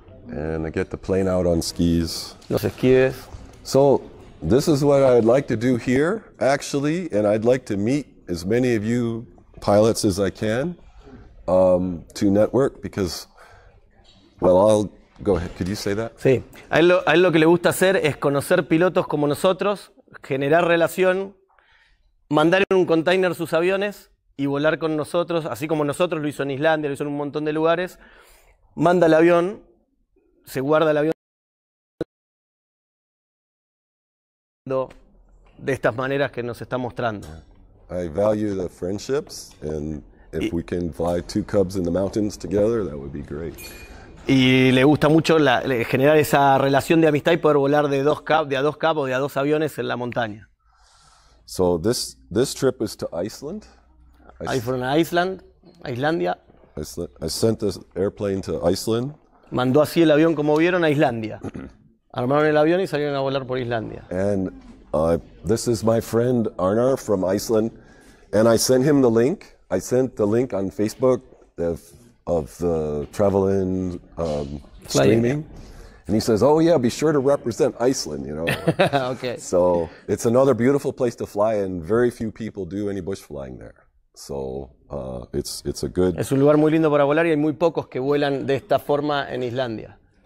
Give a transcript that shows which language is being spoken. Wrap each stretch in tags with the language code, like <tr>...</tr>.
<en>And I get the plane out on skis.</en> <es>Los esquíes.</es> <en>So, this is what I'd like to do here, actually, and I'd like to meet as many of you pilots as I can to network, because, well, I'll go ahead. Could you say that?</en> <es>Sí. A él lo que le gusta hacer es conocer pilotos como nosotros, generar relación, mandar en un container sus aviones y volar con nosotros, así como nosotros, lo hizo en Islandia, lo hizo en un montón de lugares. Manda el avión, se guarda el avión de estas maneras que nos está mostrando.</es> <en>I value the friendships, and if we can fly two cubs in the mountains together, that would be great.</en> <es>Y le gusta mucho generar esa relación de amistad y poder volar de a dos aviones en la montaña.</es> <en>So this trip is to Iceland. I'm from Iceland, Islandia. I sent this airplane to Iceland.</en> <es>Mandó así el avión, como vieron, a Islandia. Armaron el avión y salieron a volar por Islandia.</es> <en>And this is my friend Arnar from Iceland, and I sent him the link. I sent the link on Facebook of the Trevelin streaming. And he says, oh yeah, be sure to represent Iceland, you know. Okay. So it's another beautiful place to fly, and very few people do any bush flying there. So it's a good...</en> <es>Es un lugar muy lindo para volar y hay muy pocos que vuelan de esta forma en Islandia.</es>